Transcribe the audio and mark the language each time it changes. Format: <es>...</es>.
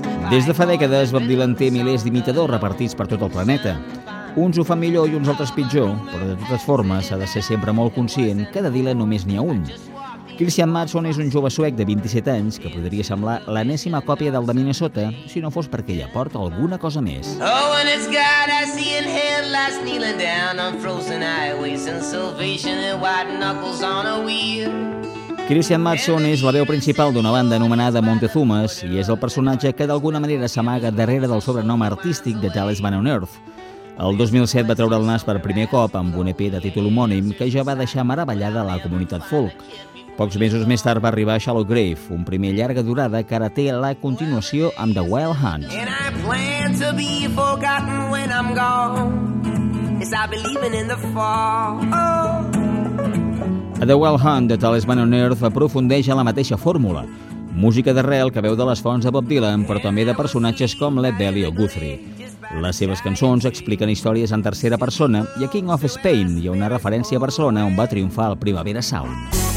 <ca>Des de fa dècades, Bob Dylan té milers d'imitadors repartits per tot el planeta. Uns ho fan millor i uns altres pitjor, però de totes formes s'ha de ser sempre molt conscient que de Dylan només n'hi ha un. Christian Mattsson és un jove suec de 27 anys que podria semblar l'enèsima còpia del de Minnesota si no fos perquè hi aporta alguna cosa més.</ca> <en>Oh, and it's God I see in headlights kneeling down on frozen highways and salvation and white knuckles on a wheel.</en> <ca>Christian Mattsson és la veu principal d'una banda anomenada Montezumas i és el personatge que d'alguna manera s'amaga darrere del sobrenom artístic de Talisman on Earth. El 2007 va treure el nas per primer cop amb un EP de títol homònim que ja va deixar meravellada la comunitat folk. Pocs mesos més tard va arribar a Shallow Grave, un primer llarga durada que ara té la continuació amb The Wild Hunt.</ca> <en>And I plan to be forgotten when I'm gone, as I believe in the fall.</en> <ca>A The Wild Hunt de Talisman on Earth aprofundeix en la mateixa fórmula. Música d'arrel que veu de les fonts de Bob Dylan, però també de personatges com Led Belly o Guthrie. Les seves cançons expliquen històries en tercera persona i a King of Spain hi ha una referència a Barcelona on va triomfar el Primavera Sound.</ca>